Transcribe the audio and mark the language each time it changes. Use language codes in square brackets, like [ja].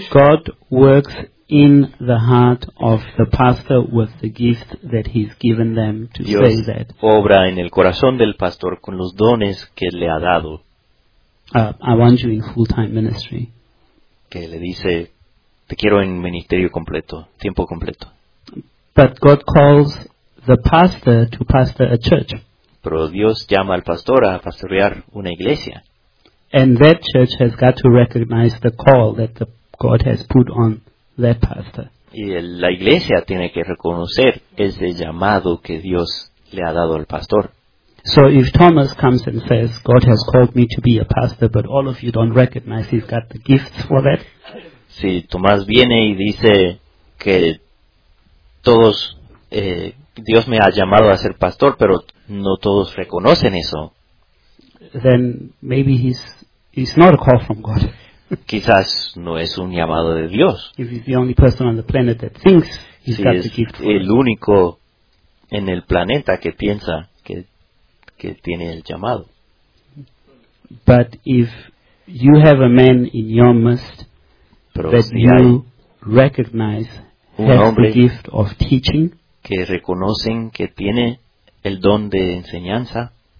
[en] God works in the heart of the pastor with the gift that he's given them to [es] Dios [en] say that. [es] Obra en el corazón del pastor con los dones que le ha dado. [en] I want you in full-time ministry. [es] Que le dice, te quiero en ministerio completo, tiempo completo. [en] But God calls the pastor to pastor a church. [es] Pero Dios llama al pastor a pastorear una iglesia. [en] And that church has got to recognize the call that God has put on that pastor. [es] Y la iglesia tiene que reconocer ese llamado que Dios le ha dado al pastor. [en] So if Thomas comes and says, God has called me to be a pastor, but all of you don't recognize he's got the gifts for that. [es] Si Tomás viene y dice que todos, Dios me ha llamado a ser pastor, pero no todos reconocen eso. [en] Then maybe he's not a call from God. [es] quizás no es un llamado de Dios. [en] If he's the only person on the planet that thinks he's [es] si [en] got the gift. [es] Es el único en el planeta que piensa que tiene el llamado. [en] But if you have a man in your midst [es] pero [en] that [es] si [en] you recognize has the gift of teaching, [es] que reconocen que tiene el don de enseñanza,